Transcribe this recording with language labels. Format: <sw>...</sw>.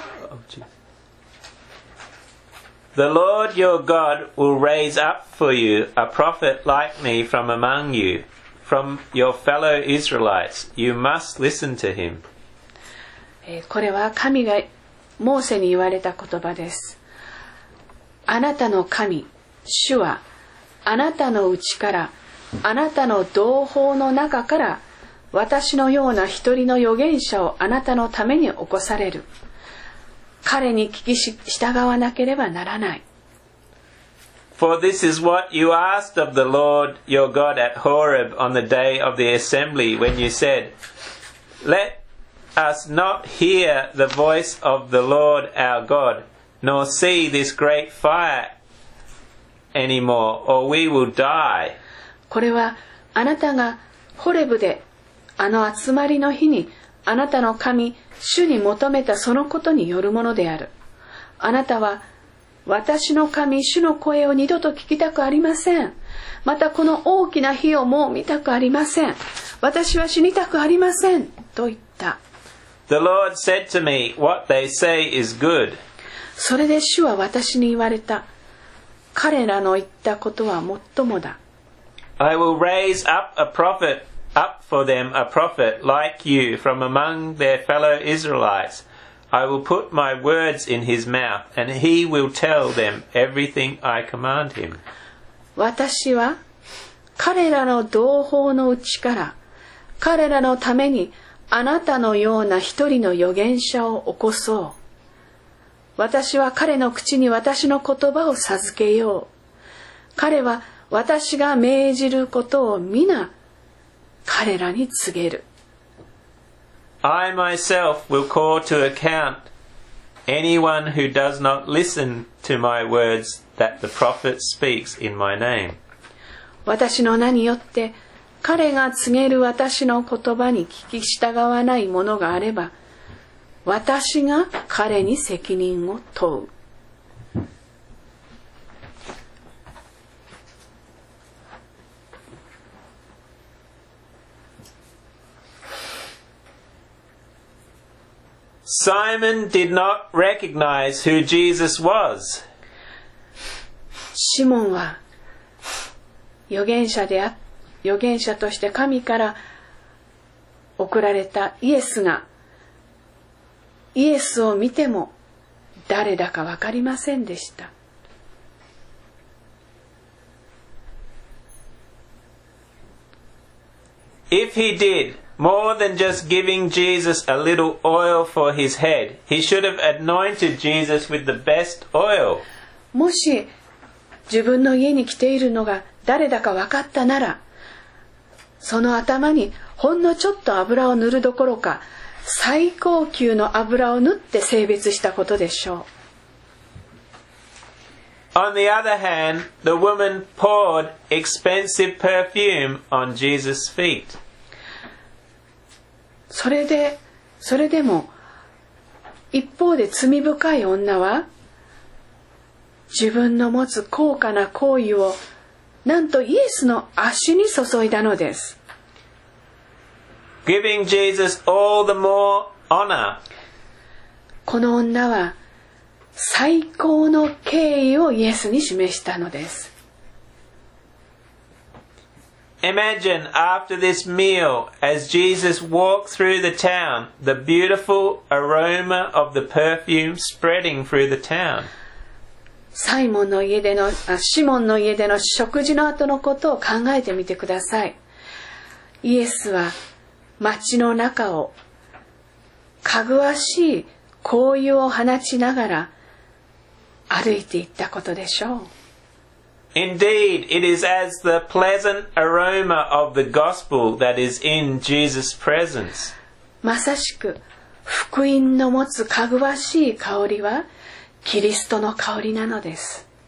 <en>Of Jesus. The Lord your God will raise up for you a prophet like me from among you. From your fellow Israelites, you must listen to him.</en> <ja>これは神がモーセに言われた言葉です。あなたの神、主はあなたのうちから、あなたの同胞の中から、私のような一人の預言者をあなたのために起こされる。彼に聞きし従わなければならない。</ja> <en>For this is what you asked of the Lord your God at Horeb on the day of the assembly when you said, Let us not hear the voice of the Lord our God, nor see this great fire anymore, or we will die.</en> <ja>これはあなたがホレブであの集まりの日にあなたの神主に求めたそのことによるものである。あなたは私の神主の声を二度と聞きたくありません、またこの大きな火をもう見たくありません、私は死にたくありませんと言った。</ja> <en>The Lord said to me, What they say is good.</en> <ja>それで主は私に言われた、彼らの言ったことは最もだ。</ja> <en>I will raise up a prophet up for them a prophet like you from among their fellow Israelites. I will put my words in his mouth, and he will tell them everything I command him.</en> <ja>私は彼らの同胞のうちから彼らのためにあなたのような一人の預言者を起こそう。私は彼の口に私の言葉を授けよう。彼は私が命じることを皆彼らに告げる。</ja> <en>I myself will call to account anyone who does not listen to my words that the prophet speaks in my name.</en> <ja>私の名によって彼が告げる私の言葉に聞き従わないものがあれば、私が彼に責任を問う。</ja> <en>Simon did not recognize who Jesus was.</en> <ja>シモンは預言者として神から送られたイエスが、イエスを見ても誰だか分かりませんでした。</ja> <en>If he did more than just giving Jesus a little oil for his head, he should have anointed Jesus with the best oil.</en> <ja>もし自分の家に来ているのが誰だか分かったなら、その頭にほんのちょっと油を塗るどころか、最高級の油を塗って清別したことでしょう。</ja> <en>On the other hand, the woman poured expensive perfume on Jesus' feet.</en> <ja>それでも、一方で罪深い女は、自分の持つ高価な香油を、なんとイエスの足に注いだのです。</ja> <en>Giving Jesus all the more honor.</en> <ja>この女は、最高の敬意をイエスに示したのです。</ja> <en>Imagine after this meal, as Jesus walked through the town, the beautiful aroma of the perfume spreading through the town.</en> <ja>シモンの家での食事の後のことを考えてみてください。イエスは町の中をかぐわしい香油を放ちながら歩いていったことでしょう。</ja> <en>Indeed, it is as the pleasant aroma of the gospel that is in Jesus' presence.</en> <ja>まさしく、福音の持つかぐわしい香りは、キリストの香りなのです。</ja>